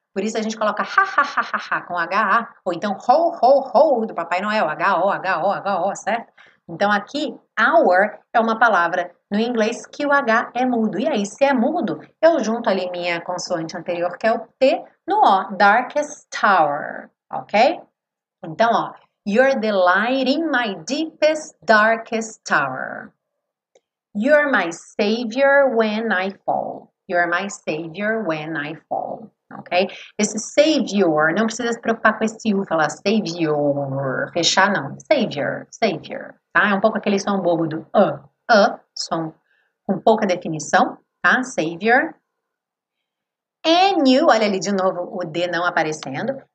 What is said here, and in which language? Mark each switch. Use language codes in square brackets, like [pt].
[pt] Por isso a gente coloca ha-ha-ha-ha-ha com H-A. Ou então ho-ho-ho do Papai Noel. H-O, H-O, H-O, certo? Então, aqui, hour é uma palavra no inglês que o H é mudo. E aí, se é mudo, eu junto ali minha consoante anterior, que é o T, no O, darkest tower, ok? Então, ó, [en] you're the light in my deepest, darkest tower. You're my savior when I fall. You're my savior when I fall. Okay? [pt] Esse savior, não precisa se preocupar com esse U, falar savior, fechar não, savior, savior, tá? É um pouco aquele som bobo do som com pouca definição, tá? Savior. And you, olha ali de novo o D não aparecendo.